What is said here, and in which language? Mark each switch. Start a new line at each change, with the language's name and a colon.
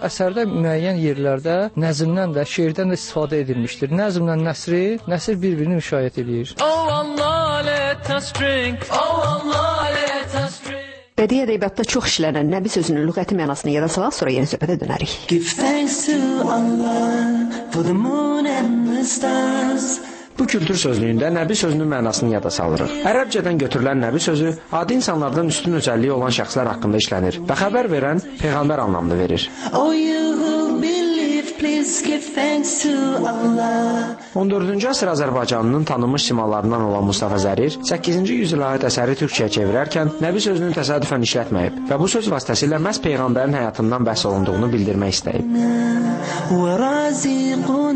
Azerbaijani: Əsərdə müəyyən yerlərdə nəzmdən də, şeirdən də istifadə edilmişdir. Nəzmlə nəsri, nəsr bir-birini müşayiət edir. Bədii ədəbiyyatda çox işlənən Nəbi sözünün lüğəti mənasını yada salaq, sonra yeni söhbətə dönərik.
English: Give thanks to Allah for the moon and the stars.
Azerbaijani: Bu kültür sözlüyündə nəbi sözünün mənasını yada salırıq. Ərəbcədən götürülən nəbi sözü adi insanlardan üstün özəlliyi olan şəxslər haqqında işlənir və xəbər verən peyğəmbər anlamını verir.
English: Please give thanks to Allah.
Azerbaijani: 14-cü əsr Azərbaycanının tanınmış simalarından olan Mustafa Zərir 8-ci yüzyıla aid əsəri türkçəyə çevirərkən nəbi sözünü təsadüfən işlətməyib və bu söz vasitəsilə məhz peyğəmbərin həyatından bəhs olunduğunu bildirmək istəyib.